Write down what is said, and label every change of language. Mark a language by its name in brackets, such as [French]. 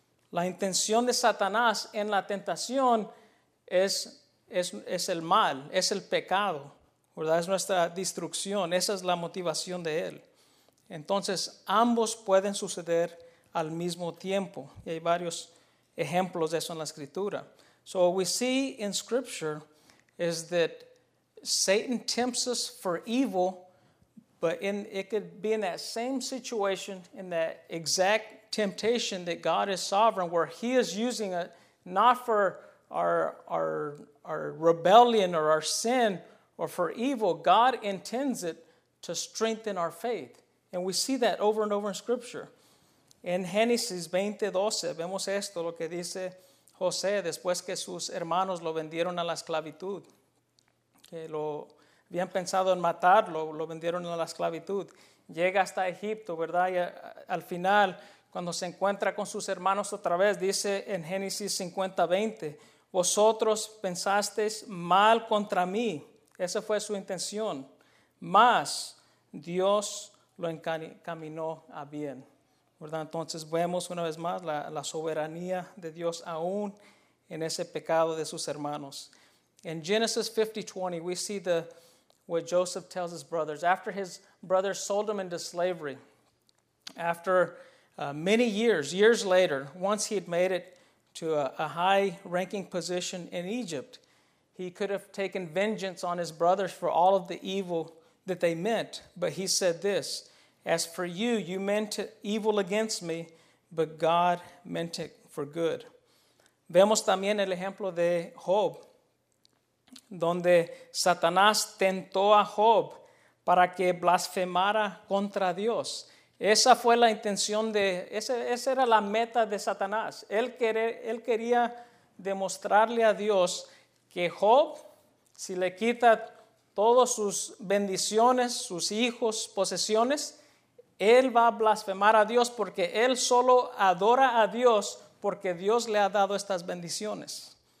[Spanish] La intención de Satanás en la tentación es el mal, es el pecado, ¿verdad? Es nuestra destrucción. Esa es la motivación de él. Entonces, ambos pueden suceder al mismo tiempo. Y hay varios ejemplos de eso en la Escritura. [English] So what we see in Scripture is that Satan tempts us for evil, But in it could be in that same situation, in that exact temptation, that God is sovereign, where he is using it not for our rebellion or our sin or for evil. God intends it to strengthen our faith. And we see that over and over in Scripture. [Spanish] En Génesis 20:12, vemos esto, lo que dice José después que sus hermanos lo vendieron a la esclavitud. Que lo habían pensado en matarlo, lo vendieron a la esclavitud. Llega hasta Egipto, ¿verdad? Y al final, cuando se encuentra con sus hermanos otra vez, dice en Génesis 50:20, vosotros pensasteis mal contra mí. Esa fue su intención. Mas Dios lo encaminó a bien. ¿Verdad? Entonces vemos una vez más la soberanía de Dios aún en ese pecado de sus hermanos. [English] In Genesis 50:20, we see what Joseph tells his brothers. After his brothers sold him into slavery, after many years later, once he had made it to a high-ranking position in Egypt, he could have taken vengeance on his brothers for all of the evil that they meant. But he said this, as for you, you meant evil against me, but God meant it for good. [Spanish] Vemos también el ejemplo de Job, donde Satanás tentó a Job para que blasfemara contra Dios. Esa fue la intención esa era la meta de Satanás. Él quería demostrarle a Dios que Job, si le quita todas sus bendiciones, sus hijos, posesiones, él va a blasfemar a Dios porque él solo adora a Dios porque Dios le ha dado estas bendiciones.